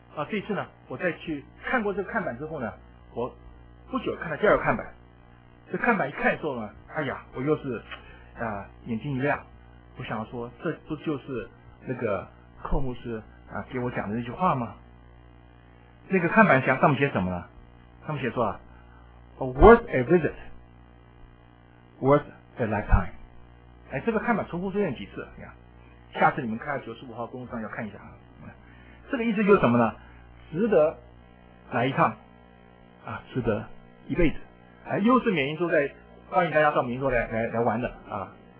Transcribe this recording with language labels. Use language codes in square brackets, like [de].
[zh] 这一次呢，我再去看过这个看板之后呢，我不久看到第二个看板，这看板一看的时候呢，哎呀，我又是眼睛一亮，我想说这不就是那个寇牧师给我讲的那句话吗？那个看板上面写什么呢？上面写说 [en] worth a visit， worth a lifetime。 [zh] 这个看板重复出现几次，你看，下次你们看95号公路上要看一下。这个意思就是什么呢？值得来一趟啊，值得一辈子。又是缅因州在欢迎大家到缅因州来玩的啊。